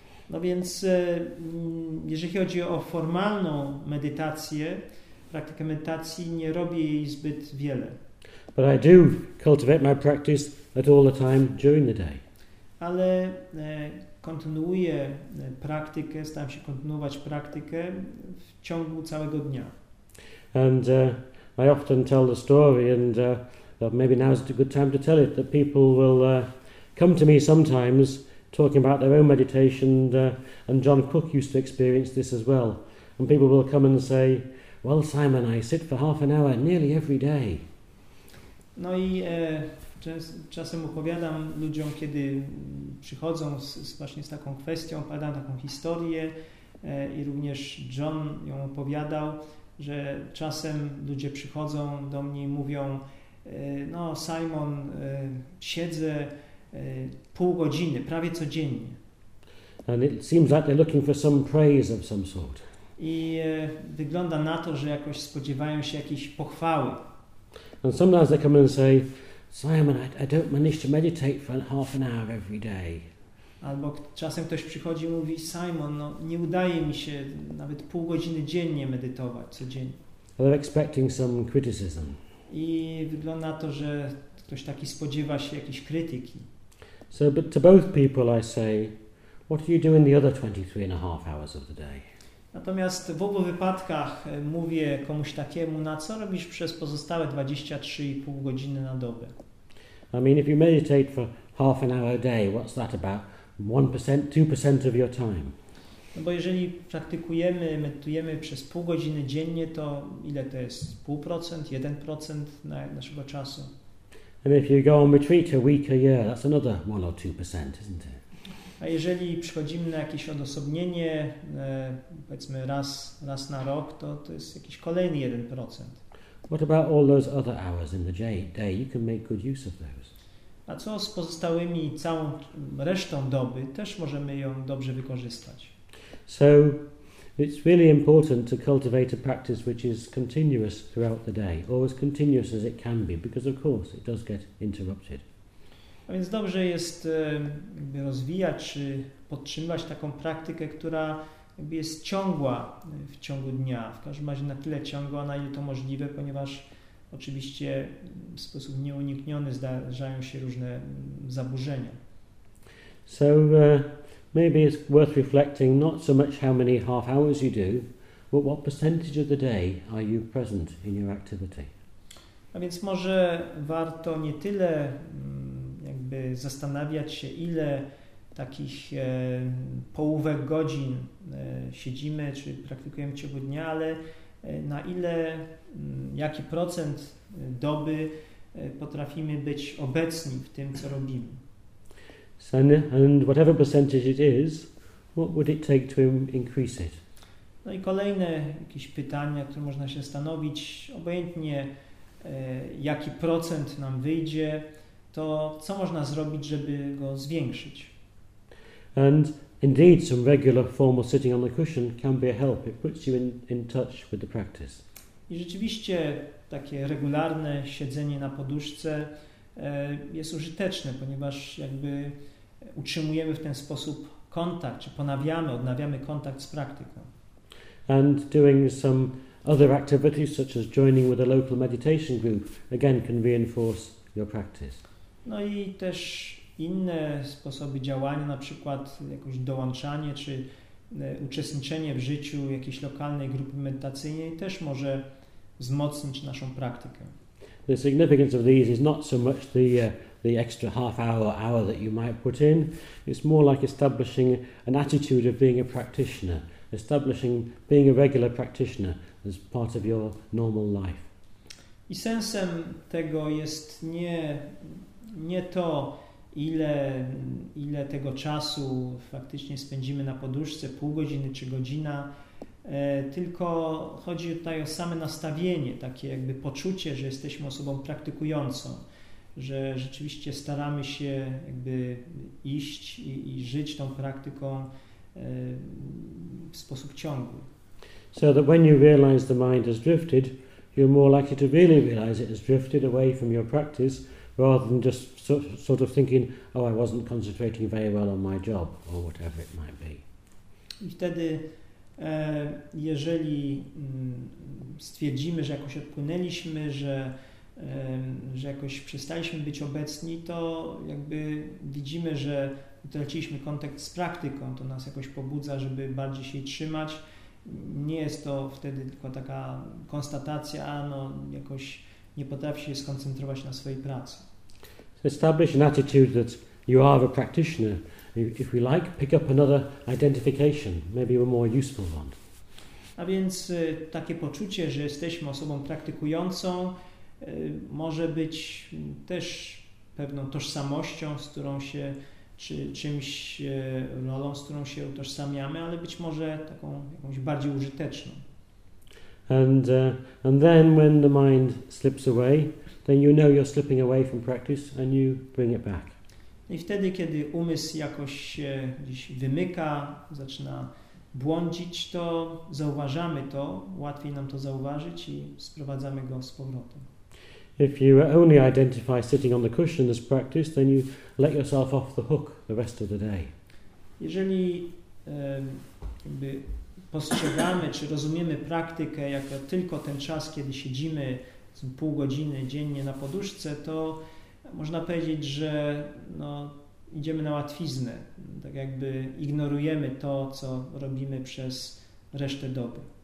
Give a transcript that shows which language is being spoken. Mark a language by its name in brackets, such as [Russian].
[Polish] No więc, jeżeli chodzi o formalną medytację, praktykę medytacji, nie robię jej zbyt wiele. [English] But I do cultivate my practice at all the time during the day. [Polish] Ale kontynuuję praktykę, staram się kontynuować praktykę w ciągu całego dnia. [English] And I often tell the story, and maybe now is a good time to tell it, that people will come to me sometimes talking about their own meditation, and John Cook used to experience this as well. And people will come and say, well, Simon, I sit for half an hour nearly every day. [Polish] No i czasem opowiadam ludziom, kiedy przychodzą właśnie z taką kwestią, opowiadam taką historię i również John ją opowiadał, że czasem ludzie przychodzą do mnie i mówią, no Simon, siedzę pół godziny, prawie codziennie. [English] And it seems like they're looking for some praise of some sort. [Polish] I wygląda na to, że jakoś spodziewają się jakiejś pochwały. [English] And sometimes they come and say, Simon, I don't manage to meditate for half an hour every day. [Polish] Albo czasem ktoś przychodzi i mówi, Simon, no nie udaje mi się nawet pół godziny dziennie medytować, codziennie. [English] And they're expecting some criticism. [Polish] I wygląda na to, że ktoś taki spodziewa się jakiejś krytyki. [English] So, but to both people I say, what are you doing the other 23 and a half hours of the day? [Polish] Natomiast w obu wypadkach mówię komuś takiemu, na co robisz przez pozostałe 23,5 godziny na dobę. [English] I mean, if you meditate for half an hour a day, what's that about? 1%, 2% of your time. [Polish] No bo jeżeli praktykujemy, medytujemy przez pół godziny dziennie, to ile to jest? 0,5%, 1% naszego czasu? [English] And if you go on retreat a week, a year, that's another 1 or 2%, isn't it? [Polish] A jeżeli przychodzimy na jakieś odosobnienie, powiedzmy raz na rok, to jest jakiś kolejny 1%. [English] What about all those other hours in the day? You can make good use of those. [Polish] A co z pozostałymi całą resztą doby? Też możemy ją dobrze wykorzystać. [English] So it's really important to cultivate a practice which is continuous throughout the day, or as continuous as it can be, because of course it does get interrupted. [Polish] A więc dobrze jest rozwijać czy podtrzymywać taką praktykę, która jakby jest ciągła w ciągu dnia. W każdym razie na tyle ciągła, na ile to możliwe, ponieważ oczywiście w sposób nieunikniony zdarzają się różne zaburzenia. [English] So maybe it's worth reflecting not so much how many half hours you do, but what percentage of the day are you present in your activity. [Polish] A więc może warto nie tyle zastanawiać się, ile takich połówek godzin siedzimy czy praktykujemy w ciągu dnia, ale na ile, jaki procent doby potrafimy być obecni w tym, co robimy. [English] And whatever percentage it is, what would it take to increase it? [Polish] No i kolejne jakieś pytania, które można się zastanowić, obojętnie jaki procent nam wyjdzie, to co można zrobić, żeby go zwiększyć? [English] And indeed some regular formal sitting on the cushion can be a help. It puts you in touch with the practice. [Polish] I rzeczywiście takie regularne siedzenie na poduszce jest użyteczne, ponieważ jakby utrzymujemy w ten sposób kontakt, czy odnawiamy kontakt z praktyką. [English] And doing some other activities such as joining with a local meditation group again can reinforce your practice. [Polish] No i też inne sposoby działania, na przykład jakoś dołączanie czy uczestniczenie w życiu jakiejś lokalnej grupy medytacyjnej też może wzmocnić naszą praktykę. [English] The significance of these is not so much the extra half hour or hour that you might put in. It's more like establishing an attitude of being a practitioner, establishing being a regular practitioner as part of your normal life. [Polish] I sensem tego jest nie to, ile tego czasu faktycznie spędzimy na poduszce, pół godziny czy godzina, tylko chodzi tutaj o same nastawienie, takie jakby poczucie, że jesteśmy osobą praktykującą, że rzeczywiście staramy się jakby iść i żyć tą praktyką w sposób ciągły. [English] So that when you realize the mind has drifted, you're more likely to really realize it has drifted away from your practice, rather than just sort of thinking, oh, I wasn't concentrating very well on my job, or whatever it might be. [Polish] I wtedy, jeżeli stwierdzimy, że jakoś odpłynęliśmy, że jakoś przestaliśmy być obecni, to jakby widzimy, że utraciliśmy kontakt z praktyką, to nas jakoś pobudza, żeby bardziej się trzymać. Nie jest to wtedy tylko taka konstatacja, a no jakoś nie potrafi się skoncentrować na swojej pracy. [English] Establish an attitude that you are a practitioner. If we like, pick up another identification, maybe a more useful one. [Polish] A więc takie poczucie, że jesteśmy osobą praktykującą, może być też pewną tożsamością, z którą się, czy czymś rolą, z którą się utożsamiamy, ale być może taką jakąś bardziej użyteczną. [English] And then when the mind slips away, then you know you're slipping away from practice and you bring it back. [Polish] I wtedy, kiedy umysł jakoś się gdzieś wymyka, zaczyna błądzić, to zauważamy to, łatwiej nam to zauważyć i sprowadzamy go z powrotem. [English] If you only identify sitting on the cushion as practice, then you let yourself off the hook the rest of the day. [Polish] Jeżeli jakby postrzegamy czy rozumiemy praktykę jako tylko ten czas, kiedy siedzimy pół godziny dziennie na poduszce, to można powiedzieć, że no, idziemy na łatwiznę, tak jakby ignorujemy to, co robimy przez resztę doby.